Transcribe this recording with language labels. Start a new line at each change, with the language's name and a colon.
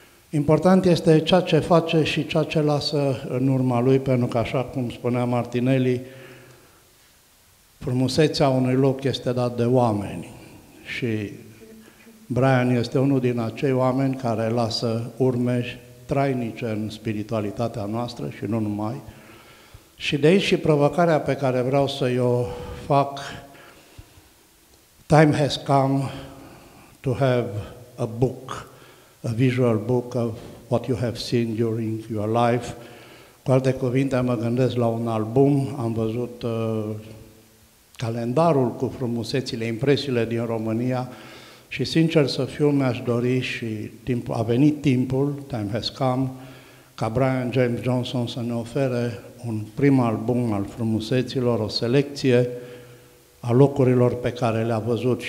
Romanian: Important este ceea ce face și ceea ce lasă în urma lui, pentru că, așa cum spunea Martinelli, frumusețea unui loc este dat de oameni. Și Brian este unul din acei oameni care lasă urme trainice în spiritualitatea noastră și nu numai. Și de aici și provocarea pe care vreau să-i o fac.
English: Time has come to have a book, a visual book of what you have seen during your life.
Romanian: Cu alte cuvinte, mă gândesc la un album, am văzut calendarul cu frumusețile, impresiile din România și, sincer să fiu, mi-aș dori și timpul, a venit timpul,
English: time has come,
Romanian: ca Brian James Johnson să ne ofere un prim album al frumuseților, o selecție a locurilor pe care le-a văzut.